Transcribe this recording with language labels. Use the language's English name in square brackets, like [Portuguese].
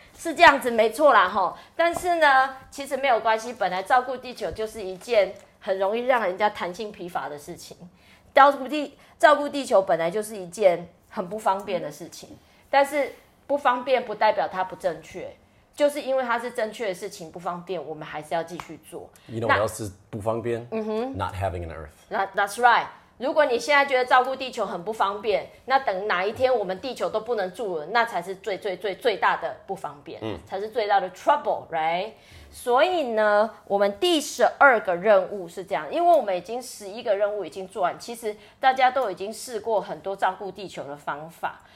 [Chinese] 是这样子，没错啦哈。但是呢，其实没有关系，本来照顾地球就是一件很容易让人家弹性疲乏的事情。照顾地球本来就是一件很不方便的事情，但是不方便不代表它不正确，就是因为它是正确的事情，不方便我们还是要继续做。 [English] You know what else is [Chinese] 不方便？ [English] 嗯哼 ，Not having an Earth. That's right. [Chinese] 如果你现在觉得照顾地球很不方便，那等哪一天我们地球都不能住了，那才是最最最最大的不方便，才是最大的 [English] trouble, right? [Chinese] 所以呢，我们第十二个任务是这样，因为我们已经十一个任务已经做完，其实大家都已经试过很多照顾地球的方法。